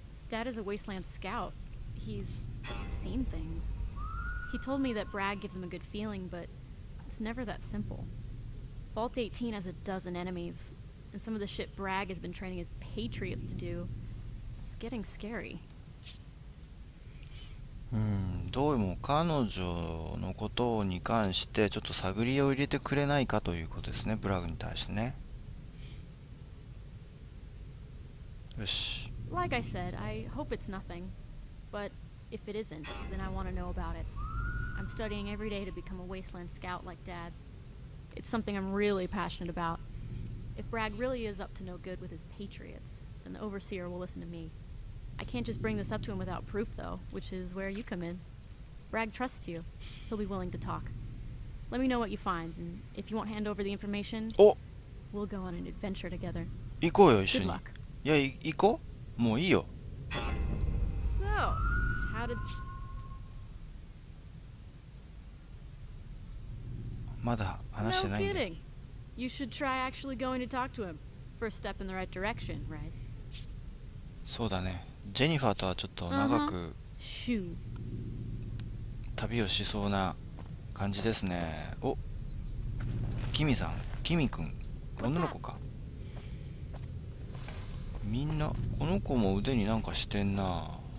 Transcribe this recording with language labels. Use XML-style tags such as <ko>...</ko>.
<en>Dad is a Wasteland scout. He's seen things. He told me that Bragg gives him a good feeling, but it's never that simple. Vault 18 has a dozen enemies, and some of the shit Bragg has been training his Patriots to do, it's getting scary.</en> <ja>どうも彼女のことに関してちょっと探りを入れてくれないかということですね、ブラグに対してね。よし。</ja> <en>Like I said, I hope it's nothing. But if it isn't, then I want to know about it. I'm studying every day to become a Wasteland scout like Dad. It's something I'm really passionate about. If Bragg really is up to no good with his Patriots, then the Overseer will listen to me. I can't just bring this up to him without proof, though, which is where you come in. Bragg trusts you. He'll be willing to talk. Let me know what you find, and if you won't hand over the information, we'll go on an adventure together.</en> <ja>行こうよ、一緒に。</ja> <en>Good luck.</en> <ja>いや、行こう。もういいよ。</ja> <en>So, how did...</en> <ja>まだ話してないんで。</ja> <en>No kidding. You should try actually going to talk to him. First step in the right direction, right?</en> <ja>そうだね。ジェニファーとはちょっと長く旅をしそうな感じですね。お、キミさん、キミ君、女の子か。みんなこの子も腕になんかしてんな。</ja>